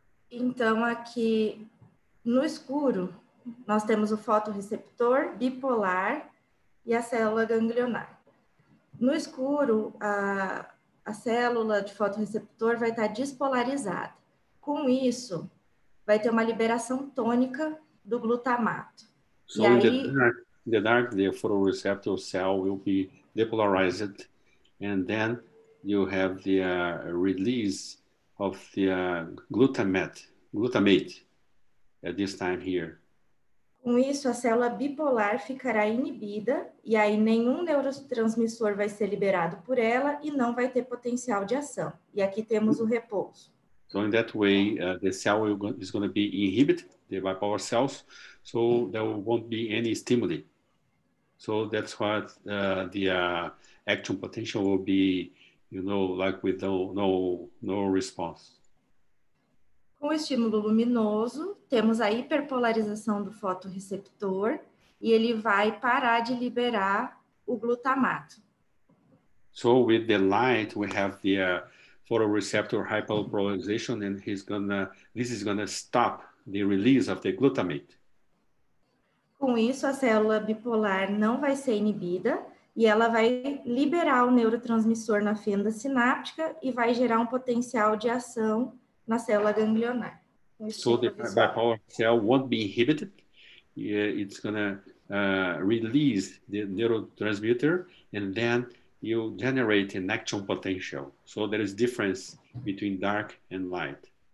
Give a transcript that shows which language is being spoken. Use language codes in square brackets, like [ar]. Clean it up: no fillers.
[pt] Então, aqui no escuro, nós temos o fotorreceptor bipolar e a célula ganglionar. No escuro, a célula de fotorreceptor vai estar despolarizada. Com isso, vai ter uma liberação tônica do glutamato. [en] So e in the dark, the photoreceptor cell will be depolarized, and then you have the release of the glutamate at this time here. [pt] Com isso, a célula bipolar ficará inibida, e aí nenhum neurotransmissor vai ser liberado por ela e não vai ter potencial de ação. E aqui temos o repouso. [en] So in that way, the cell is going to be inhibited, the bipolar cells, so there won't be any stimuli. So that's what the action potential will be, you know, like with no response. [pt] Com o estímulo luminoso, temos a hiperpolarização do fotorreceptor e ele vai parar de liberar o glutamato. [en] So with the light, we have the photoreceptor hyperpolarization, and this is gonna stop the release of the glutamate. [pt] Com isso, a célula bipolar não vai ser inibida e ela vai liberar o neurotransmissor na fenda sináptica e vai gerar um potencial de ação na célula ganglionar. [en] So the bipolar cell won't be inhibited. It's gonna release the neurotransmitter, and then you generate an action potential. So there is difference between dark and light.